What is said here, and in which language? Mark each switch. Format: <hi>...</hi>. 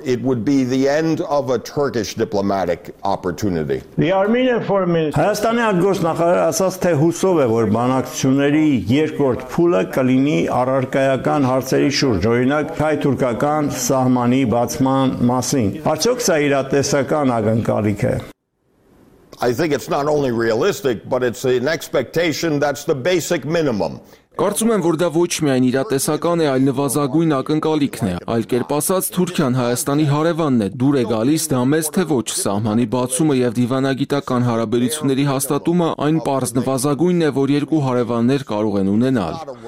<en>It would be the end of a Turkish diplomatic opportunity. The Armenian foreign minister</en> <hy>Հայաստանի արգոս նախարար ասաց, թե հուսով է, որ բանակցությունների երկրորդ փուլը կլինի առարկայական հարցերի շուրջ, օրինակ հայ-թուրքական սահմանի բացման մասին։ Արդյոք սա իրատեսական ակնկալիք է։</hy> <en>I think it's not only realistic, but it's an expectation that's the basic minimum.</en> <hy>Կարծում եմ, որ դա ոչ միայն իրատեսական է, այլ նվազագույն ակնկալիքն է։ Այլ կերպ ասած, Թուրքիան Հայաստանի հարևանն է, դուր է գալիս դա մեզ, թե ոչ սահմանի բացումը եւ դիվանագիտական հարաբերությունների հաստատումը այն պարզ նվազագույնն է, որ երկու հարևաններ կարող են ունենալ։</hy>